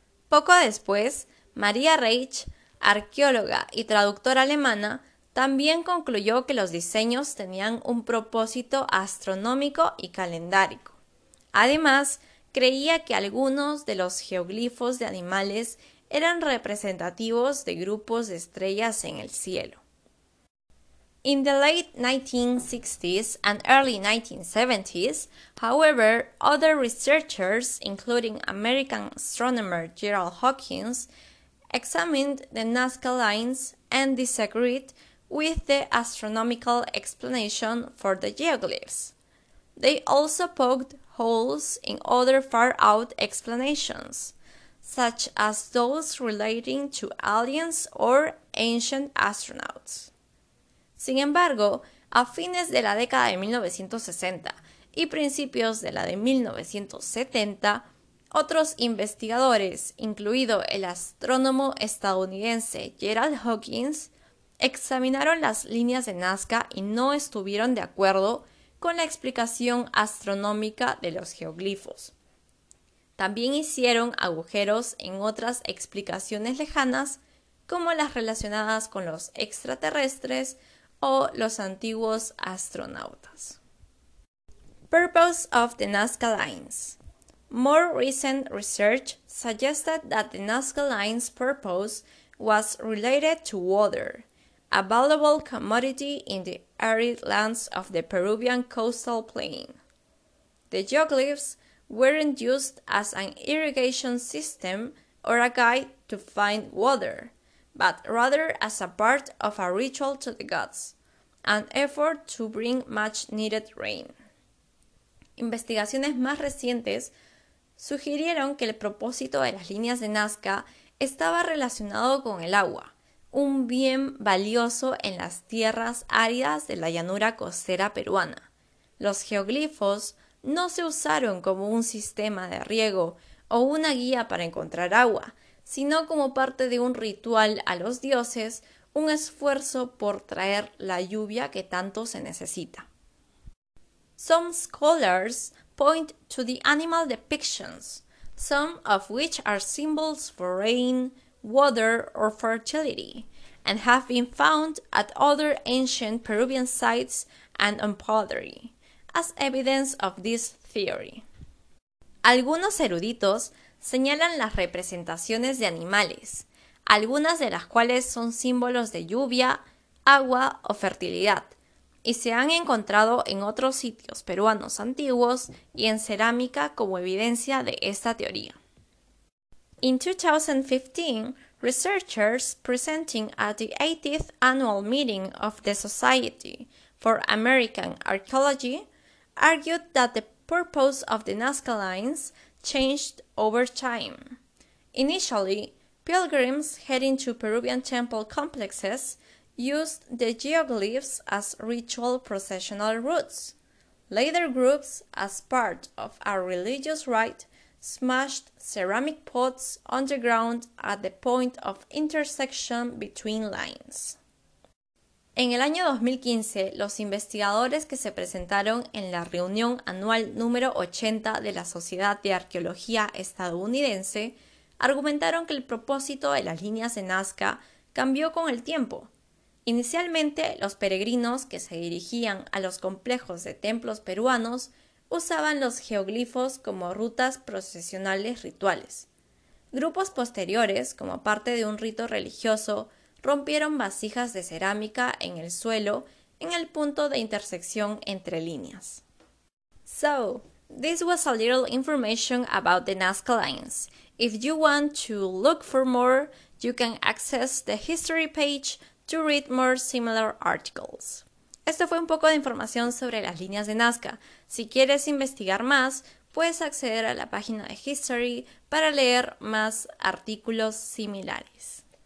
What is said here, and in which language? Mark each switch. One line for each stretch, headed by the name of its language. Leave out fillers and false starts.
Spanish: Poco después, Maria Reich, arqueóloga y traductora alemana, también concluyó que los diseños tenían un propósito astronómico y calendárico. Además, creía que algunos de los geoglifos de animales eran representativos de grupos de estrellas en el cielo.
English: In the late 1960s and early 1970s, however, other researchers, including American astronomer Gerald Hawkins, examined the Nazca lines and disagreed with the astronomical explanation for the geoglyphs. They also poked holes in other far-out explanations, such as those relating to aliens or ancient astronauts.
Spanish: Sin embargo, a fines de la década de 1960 y principios de la de 1970, otros investigadores, incluido el astrónomo estadounidense Gerald Hawkins, examinaron las líneas de Nazca y no estuvieron de acuerdo con la explicación astronómica de los geoglifos. También hicieron agujeros en otras explicaciones lejanas, como las relacionadas con los extraterrestres o los antiguos astronautas.
English: Purpose of the Nazca Lines. More recent research suggested that the Nazca Lines' purpose was related to water, a valuable commodity in the arid lands of the Peruvian coastal plain. The geoglyphs weren't used as an irrigation system or a guide to find water, but rather as a part of a ritual to the gods, an effort to bring much-needed rain.
Spanish: Investigaciones más recientes sugirieron que el propósito de las líneas de Nazca estaba relacionado con el agua, un bien valioso en las tierras áridas de la llanura costera peruana. Los geoglifos no se usaron como un sistema de riego o una guía para encontrar agua, sino como parte de un ritual a los dioses, un esfuerzo por traer la lluvia que tanto se necesita.
English: Some scholars point to the animal depictions, some of which are symbols for rain, water, or fertility, and have been found at other ancient Peruvian sites and on pottery, as evidence of this theory.
Spanish: Algunos eruditos señalan las representaciones de animales, algunas de las cuales son símbolos de lluvia, agua o fertilidad, y se han encontrado en otros sitios peruanos antiguos y en cerámica como evidencia de esta teoría.
English: In 2015, researchers presenting at the 80th annual meeting of the Society for American Archaeology argued that the purpose of the Nazca lines changed over time. Initially, pilgrims heading to Peruvian temple complexes used the geoglyphs as ritual processional routes. Later groups, as part of a religious rite, smashed ceramic pots underground at the point of intersection between lines.
Spanish: En el año 2015, los investigadores que se presentaron en la reunión anual número 80 de la Sociedad de Arqueología Estadounidense argumentaron que el propósito de las líneas de Nazca cambió con el tiempo. Inicialmente, los peregrinos que se dirigían a los complejos de templos peruanos usaban los geoglifos como rutas procesionales rituales. Grupos posteriores, como parte de un rito religioso, rompieron vasijas de cerámica en el suelo en el punto de intersección entre líneas.
English: So, this was a little information about the Nazca lines. If you want to look for more, you can access the history page to read more similar articles.
Spanish: Esto fue un poco de información sobre las líneas de Nazca. Si quieres investigar más, puedes acceder a la página de History para leer más artículos similares.